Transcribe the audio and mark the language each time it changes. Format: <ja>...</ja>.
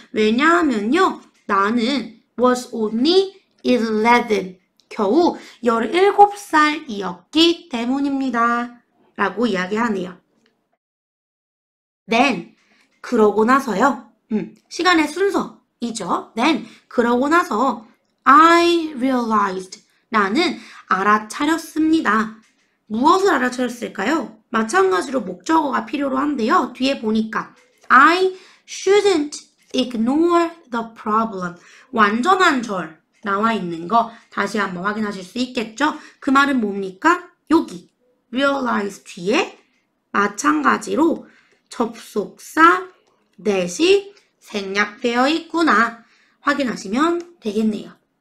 <ko>왜냐하면요, 나는</ko> <en>was only 11,</en> <ko>겨우 17살이었기 때문입니다 라고 이야기하네요.</ko> <en>Then,</en> <ko>그러고 나서요. 시간의 순서이죠.</ko> <en>Then,</en> <ko>그러고 나서</ko> <en>I realized.</en> <ko>나는 알아차렸습니다. 무엇을 알아차렸을까요? 마찬가지로 목적어가 필요로 한데요. 뒤에 보니까</ko> <en>I shouldn't ignore the problem.</en> <ko>완전한 절 나와 있는 거 다시 한번 확인하실 수 있겠죠? 그 말은 뭡니까? 여기 realize 뒤에 마찬가지로 접속사 넷이 생략되어 있구나 확인하시면 되겠네요.</ko>